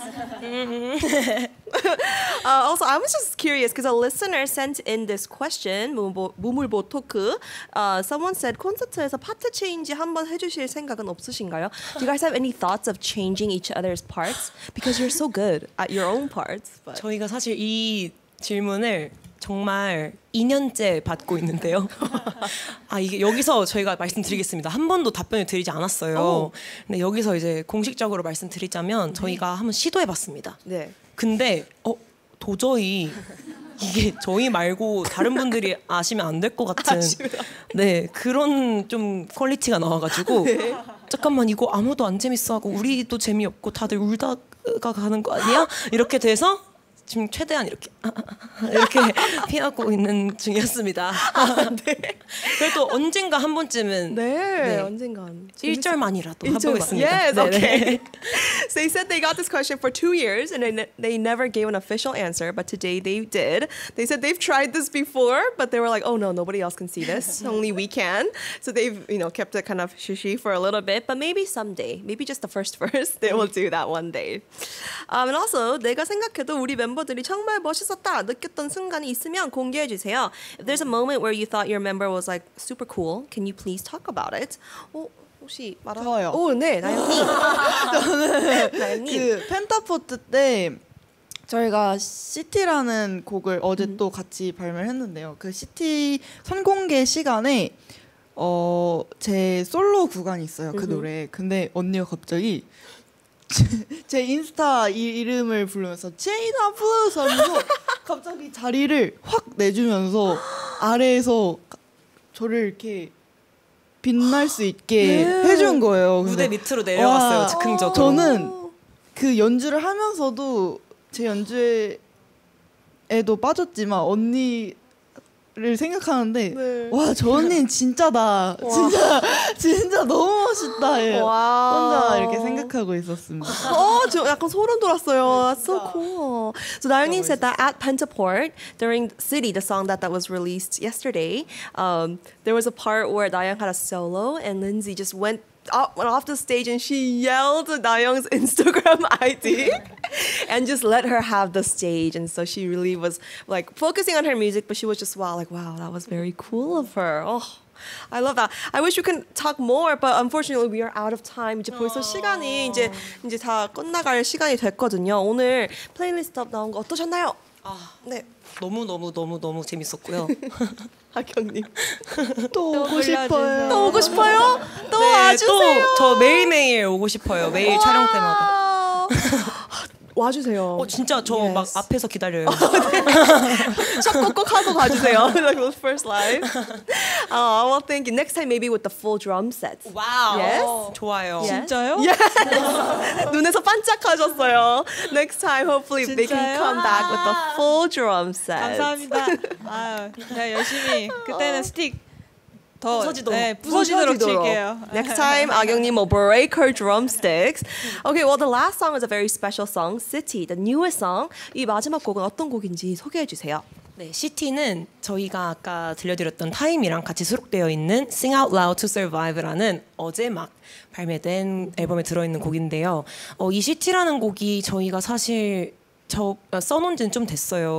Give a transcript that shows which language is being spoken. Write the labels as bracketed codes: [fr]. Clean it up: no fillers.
[en] also, I was just curious because a listener sent in this question. [ko] 무물보 토크. [en] Someone said, [ko] 콘서트에서 파트 체인지 한번 해주실 생각은 없으신가요? [en] Do you guys have any thoughts of changing each other's parts? Because you're so good at your own parts. But. [ko] 저희가 사실 이 질문을 정말 2년째 받고 있는데요. 아 이게 여기서 저희가 말씀드리겠습니다. 한 번도 답변을 드리지 않았어요. 오. 근데 여기서 이제 공식적으로 말씀드리자면 저희가 네. 한번 시도해봤습니다. 네. 근데 도저히 이게 저희 말고 다른 분들이 아시면 안 될 것 같은 네 그런 좀 퀄리티가 나와가지고 네. 잠깐만 이거 아무도 안 재밌어하고 우리도 재미없고 다들 울다가 가는 거 아니야? 이렇게 돼서 지금 최대한 이렇게 이렇게 피하고 있는 중이었습니다. 아, 네. 그래도 언젠가 한 번쯤은 네, 네. 언젠간 1절만이라도 해보겠습니다. [en] Yes, okay. So they said they got this question for 2 years and they never gave an official answer, but today they did. They said they've tried this before, but they were like, oh no, nobody else can see this. Only we can. So they've, you know, kept it kind of shushy for a little bit, but maybe someday, maybe just the first verse, they will do that one day. And also, [ko] 내가 생각해도 우리 멤버들이 정말 멋있었다 느꼈던 순간이 있으면 공개해 주세요. [en] If there's a moment where you thought your member was like super cool, can you please talk about it? [ko] 혹시 말하세요. 저요. 오, 네, 나연님. 저는 그 펜타포트 때 저희가 시티라는 곡을 어제 또 같이 발매를 했는데요. 그 시티 선공개 시간에 제 솔로 구간이 있어요. 그 노래. 근데 언니가 갑자기 제 인스타 이름을 부르면서 제이나 플러스 하면서 갑자기 자리를 확 내주면서 아래에서 저를 이렇게 빛날 수 있게 네. 해준 거예요. 무대 밑으로 내려왔어요. 와, 즉흥적으로. 저는 그 연주를 하면서도 제 연주에도 빠졌지만 언니 를 생각하는데 네. 와 저 언니는 진짜다 와. 진짜 너무 멋있다 예. 와. 혼자 이렇게 생각하고 있었습니다. 저 약간 소름 돌았어요. 네, [en] That's so cool. So Nayeon님 said that at Pentaport during City, the song that was released yesterday, there was a part where Nayeon had a solo and Lindsay just went off the stage and she yelled Nayeon's Instagram ID. And just let her have the stage. And so she really was like focusing on her music, but she was just wow, like, wow, that was very cool of her. Oh, I love that. I wish we could talk more, but unfortunately we are out of time. [ko] 이제 벌써 시간이 이제 다 끝나갈 시간이 됐거든요. 오늘 플레이리스트 나온 거 어떠셨나요? 아, 네. 너무 재밌었고요. 학경님 또 오고 싶어요. 또 오고 싶어요? 또 네, 와주세요. 저 매일매일 오고 싶어요. 매일 촬영 때마다. 와주세요. 진짜 저 막 yes. 앞에서 기다려요. 꼭 하고 가주세요. [en] Like the first live. I will think next time maybe with the full drum set. Wow. Yes. [ko] 좋아요. [en] Yes? [ko] 진짜요? [en] Yes. [ko] 눈에서 반짝하셨어요. [en] Next time hopefully [ko] 진짜요? [en] They can come back with the full drum set. [ko] 감사합니다. 아, 열심히 그때는 스틱. 부서지도록 [en] Next time, 아경님 will break her drumsticks. Okay, well, the last song is a very special song, City, the newest song. [ko] 이 마지막 곡은 어떤 곡인지 소개해 주세요. 네, City는 저희가 아까 들려드렸던 Time이랑 같이 수록되어 있는 Sing Out Loud to Survive라는 어제 막 발매된 앨범에 들어있는 곡인데요. 이 City라는 곡이 저희가 사실 써놓은 지는 좀 됐어요.